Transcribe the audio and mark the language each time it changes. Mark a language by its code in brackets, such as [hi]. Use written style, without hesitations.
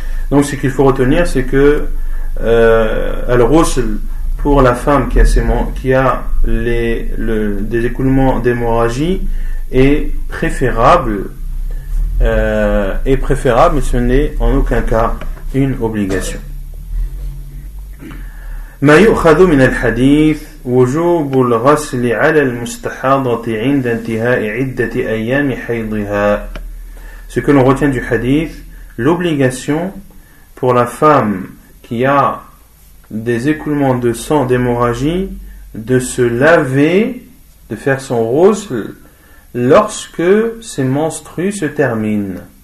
[fr] Donc ce qu'il faut retenir, c'est que al-ghusl pour la femme qui a des écoulements d'hémorragie est préférable est préférable, mais ce n'est en aucun cas une obligation. [ar] ما يؤخذ من الحديث وجوب الغسل على المستحاضة عند انتهاء عدة أيام حيضها. [fr] Ce que l'on retient du hadith, l'obligation pour la femme qui a des écoulements de sang, d'hémorragie, de se laver, de faire son ghusl lorsque ses menstrues se terminent.